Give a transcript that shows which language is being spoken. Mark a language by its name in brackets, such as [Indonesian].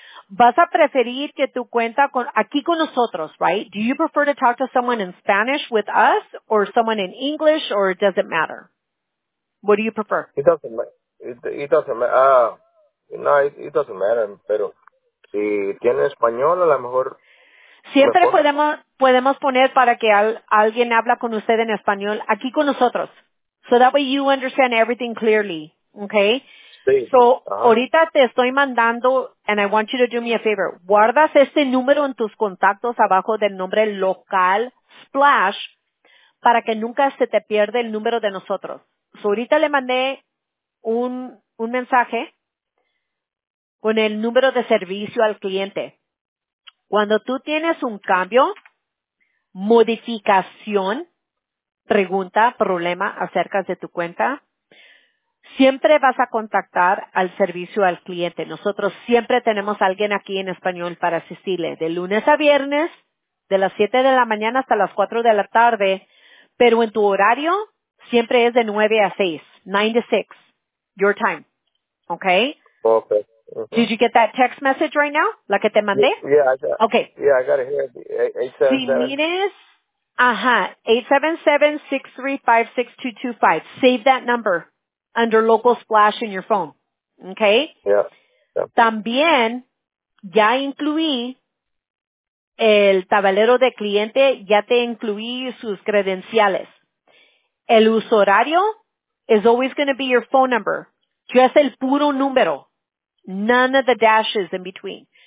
[Spanish] Vas a preferir que tu cuenta con aquí con nosotros, [English] right? Do you prefer to talk to someone in Spanish with us or someone in English, or does it matter? What do you prefer? It doesn't matter, [Spanish] pero si tiene español, a lo mejor... Siempre podemos poner para que alguien habla con usted en español aquí con nosotros. [English] So that way you understand everything clearly, okay? [Spanish] Sí. [English] So [Spanish] ahorita te estoy mandando, [English] and I want you to do me a favor. [Spanish] Guardas este número en tus contactos abajo del nombre local Splash para que nunca se te pierda el número de nosotros. So ahorita le mandé un mensaje con el número de servicio al cliente. Cuando tú tienes un cambio, modificación, pregunta, problema acerca de tu cuenta, siempre vas a contactar al servicio al cliente. Nosotros siempre tenemos a alguien aquí en español para asistirle de lunes a viernes, de las 7 de la mañana hasta las 4 de la tarde, pero en tu horario siempre es de 9 a 6, [English] 9 to 6, your time, okay? Okay. Uh-huh. Did you get that text message right now? [Spanish] ¿La que te mandé? [English] Yeah, I got it here. 877. [Spanish] Si mires, 877-635-6225. [English] Save that number under Local Splash in your phone. Okay? Yeah. [Spanish] También, ya incluí el tablero de cliente, ya te incluí sus credenciales. El usuario [English] is always going to be your phone number. Just [Spanish] el puro número. [English] None of the dashes in between.